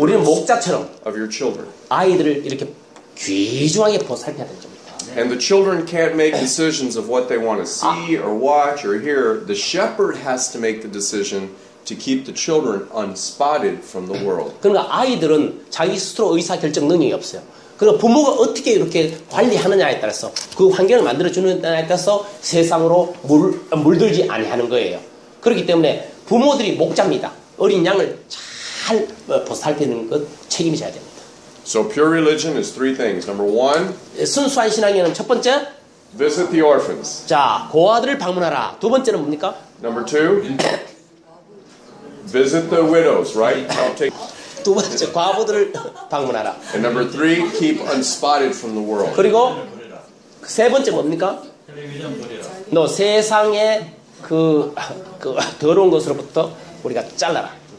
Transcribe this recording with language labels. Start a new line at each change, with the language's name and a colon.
Korean: 우리는 목자처럼
English: of your children.
Korean: 아이들을 이렇게 귀중하게 보살펴야 될 겁니다.
English: And the children can't make decisions of what they want to see or watch or hear. The shepherd has to make the decision to keep the children unspotted from the world.
Korean: 그러니까 아이들은 자기 스스로 의사 결정 능력이 없어요. 그러니까 부모가 어떻게 이렇게 관리하느냐에 따라서 그 환경을 만들어 주느냐에 따라서 세상으로 물들지 아니하는 거예요. 그렇기 때문에 부모들이 목자입니다. 어린 양을 잘 보살피는 것 책임져야 됩니다.
English: So pure religion is three things. Number one,
Korean: 순수한 신앙에는 첫 번째,
English: visit the orphans.
Korean: 자, 고아들을 방문하라. 두 번째는 뭡니까?
English: Number two, visit the widows, right? I'll take.
Korean: 두 번째, 과부들을 방문하라.
English: And number three, keep unspotted from the world.
Korean: 그리고 세 번째 뭡니까? 너 세상의 그 더러운 것으로부터 우리가 잘라라.